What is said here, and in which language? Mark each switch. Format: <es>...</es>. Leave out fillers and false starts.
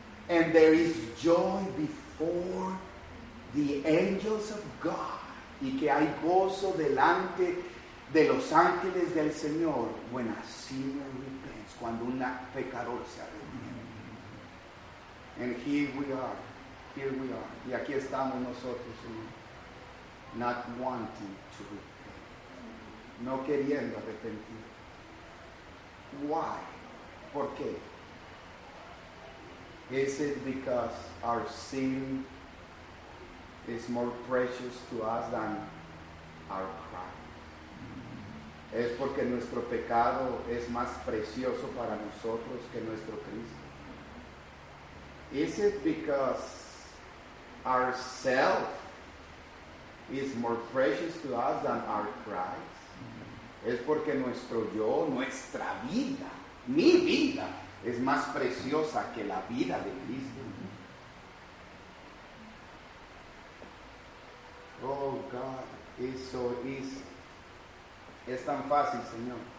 <en>And there is joy before the angels of God.</en> <es>Y que hay gozo delante de los ángeles del Señor.</es> <en>When a sinner repents.</en> <es>Cuando un pecador se arrepiente.</es> <en>And here we are. Here we are.</en> <es>Y aquí estamos nosotros, Señor.</es> <en>Not wanting to repent.</en> <es>No queriendo arrepentir. Why? ¿Por qué?</es> <en>Is it because our sin is more precious to us than our crime?</en> <es>¿Es porque nuestro pecado es más precioso para nosotros que nuestro Cristo?</es> <en>Is it because our self is more precious to us than our Christ?</en> <es>Es porque nuestro yo, nuestra vida, mi vida, es más preciosa que la vida de Cristo.</es> <en>Oh, God, it's so easy.</en> <es>Es tan fácil, Señor.</es>